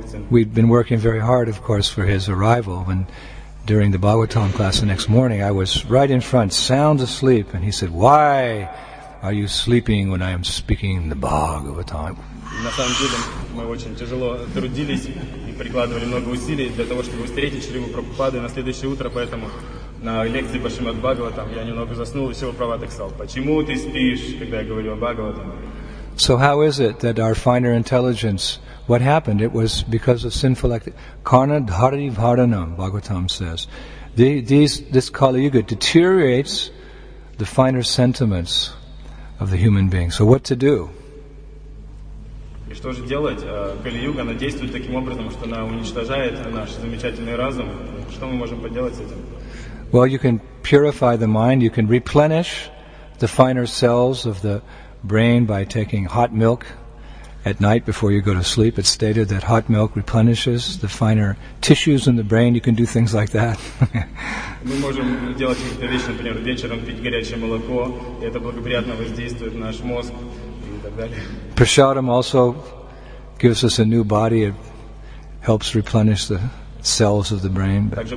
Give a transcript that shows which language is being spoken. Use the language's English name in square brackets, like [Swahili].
[English] We'd been working very hard, of course, for his arrival, and during the Bhagavatam class the next morning, I was right in front, sound asleep, and he said, "Why are you sleeping when I am speaking the Bhagavatam?" [Russian] На самом деле мы очень тяжело трудились и прикладывали много усилий для того, чтобы встретить Шриву Прабхупаду на следующее утро, поэтому на лекции по Шримад Бхагаватам я немного заснул, и Шрива Прабхупада сказал: "Почему ты спишь, когда я говорю о Бхагаватам?" [English] So how is it that our finer intelligence, what happened? It was because of sinful activity. [Sanskrit] Karna dhari vharanam, [English] Bhagavatam says. This Kali Yuga deteriorates the finer sentiments of the human being. So what to do? [Russian] И что же делать? Кали-юга, она действует таким образом, что она уничтожает наш замечательный разум. Что мы можем поделать с этим? [English] Well, you can purify the mind, you can replenish the finer cells of the brain by taking hot milk at night before you go to sleep. It's stated that hot milk replenishes the finer tissues in the brain. You can do things like that. [Russian] Мы можем делать какие-то вещи, например, вечером пить горячее молоко, и это благоприятно воздействует на наш мозг. [English] Prasadam also gives us a new body. It helps replenish the cells of the brain.